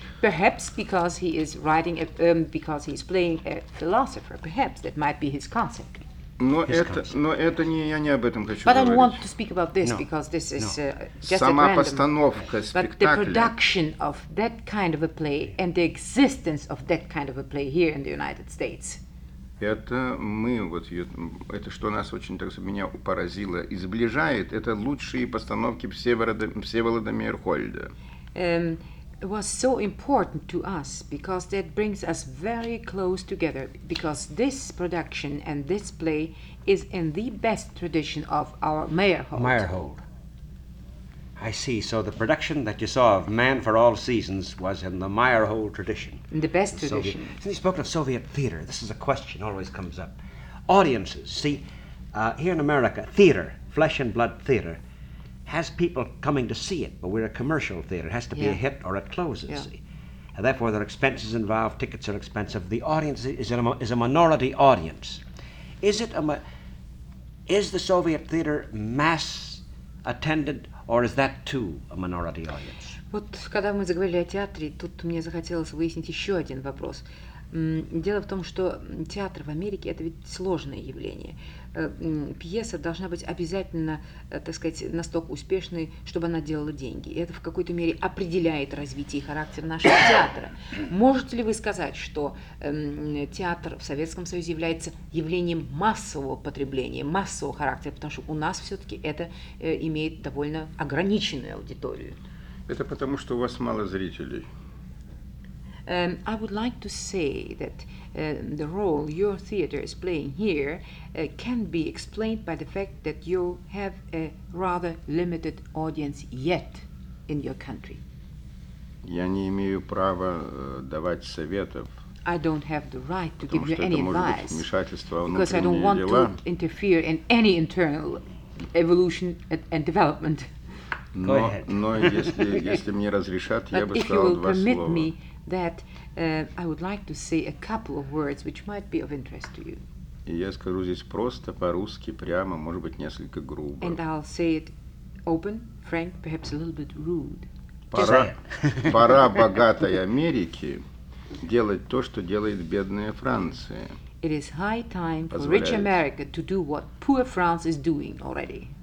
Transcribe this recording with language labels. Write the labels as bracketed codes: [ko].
[en] Perhaps because he is writing, because he's playing a philosopher. Perhaps that might be his concept. [ru] Но это не я не об этом хочу [en] but [ru] говорить. [en] But I want to speak about this no. because this is no. just [ru] Сама [en] at random. [ru] Сама постановка спектакля. [en] But the production of that kind of a play and the existence of that kind of a play here in the United States. [ru] Это мы вот это что нас очень так меня поразило и сближает это лучшие постановки Всеволода Мейерхольда. [en] It was so important to us because that brings us very close together because this production and this play is in the best tradition of our Meyerhold. Meyerhold. I see. So the production that you saw of Man for All Seasons was in the Meyerhold tradition. In the best tradition. Since you spoke of Soviet theater, this is a question always comes up. Audiences. See, here in America, theater, flesh and blood theater, has people coming to see it, but we're a commercial theater. It has to be a hit or it closes. Yeah. See? And therefore, there are expenses involved, tickets are expensive. The audience is a minority audience. Is the Soviet theater mass attended, or is that too a minority audience? [ru] Вот когда мы заговорили о театре, тут мне захотелось выяснить еще один вопрос. Дело в том, что театр в Америке – это ведь сложное явление. Пьеса должна быть обязательно, так сказать, настолько успешной, чтобы она делала деньги. И это в какой-то мере определяет развитие и характер нашего театра. Можете ли вы сказать, что театр в Советском Союзе является явлением массового потребления, массового характера, потому что у нас все-таки это имеет довольно ограниченную аудиторию? Это потому, что у вас мало зрителей. [en] I would like to say that the role your theater is playing here can be explained by the fact that you have a rather limited audience yet in your country. [ru] Я не имею права давать советов. [en] I don't have the right to give you any advice. [ru] Потому что это может быть вмешательство во внутренние дела. [en] Because I don't want to interfere in any internal evolution and development. Go [ru] но, [en] ahead. [ru] Но если мне разрешат, я бы сказал два слова. [en] But if you will permit me, that I would like to say a couple of words which might be of interest to you. [ru] Я скажу здесь просто по-русски, прямо, может быть, несколько грубо. [en] And I'll say it open, frank, perhaps a little bit rude. [ru] Пора богатой Америке делать то, что делает бедная Франция. [en] It is high time for rich America to do what poor France is doing already.